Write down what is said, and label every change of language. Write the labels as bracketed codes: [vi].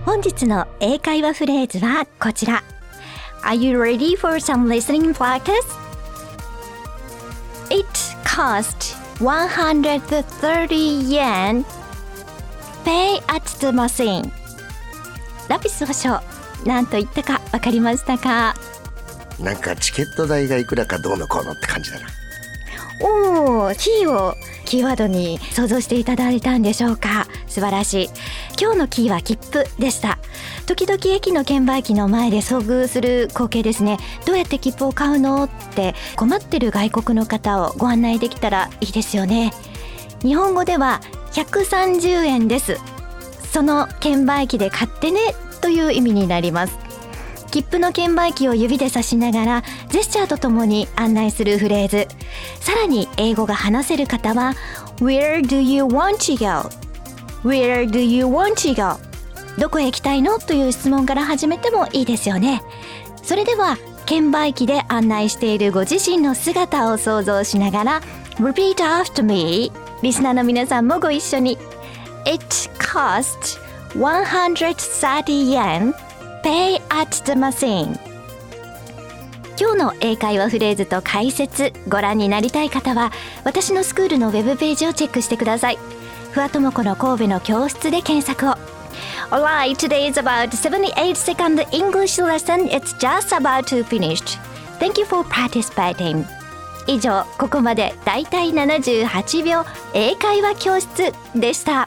[ja] 本日の英会話フレーズはこちら。 [en] Are you ready for some listening practice? It cost 130 yen. Pay at the machine. [ja] ラピス保証、何と言ったか分かりましたか？なんかチケット代がいくらかどうのこうのって感じだな。おー、キーをキーワードに想像していただいたんでしょうか。素晴らしい。今日のキーは切符でした。時々駅の券売機の前で遭遇する光景ですね。どうやって切符を買うのって困ってる外国の方をご案内できたらいいですよね。日本語では130円です、その券売機で買ってねという意味になります。切符の券売機を指で指しながらジェスチャーとともに案内するフレーズ。さらに英語が話せる方は [en] Where do you want to go? Where do you want to go? [ja] どこへ行きたいのという質問から始めてもいいですよね。それでは券売機で案内しているご自身の姿を想像しながら [en] Repeat after me。 [ja] リスナーの皆さんもご一緒に。 [en] It cost 130 yenPay at the machine。 [ja] 今日の英会話フレーズと解説ご覧になりたい方は私のスクールのウェブページをチェックしてください。ふわともこの神戸の教室で検索を。 [en] Alright, today is about 78 second English lesson. It's just about to finish. Thank you for participating. [ja] 以上、ここまでだいたい78秒英会話教室でした。